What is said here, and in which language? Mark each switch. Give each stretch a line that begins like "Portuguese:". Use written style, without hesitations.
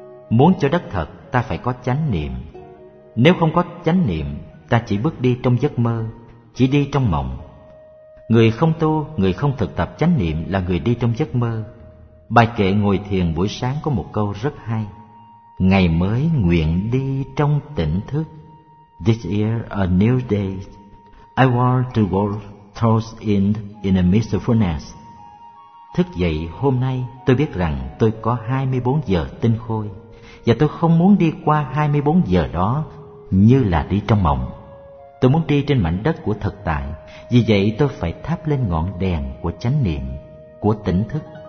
Vietnamese: Muốn cho đất thật ta phải có chánh niệm. Nếu không có chánh niệm ta chỉ bước đi trong giấc mơ, chỉ đi trong mộng. Người không tu, người không thực tập chánh niệm là người đi trong giấc mơ. Bài kệ ngồi thiền buổi sáng có một câu rất hay: ngày mới nguyện đi trong tỉnh thức.
English: This year a new day. I want to walk towards it in a mindfulness.
Vietnamese: Thức dậy hôm nay tôi biết rằng tôi có 24 giờ tinh khôi và tôi không muốn đi qua 24 giờ đó như là đi trong mộng. Tôi muốn đi trên mảnh đất của thực tại, vì vậy tôi phải thắp lên ngọn đèn của chánh niệm, của tỉnh thức.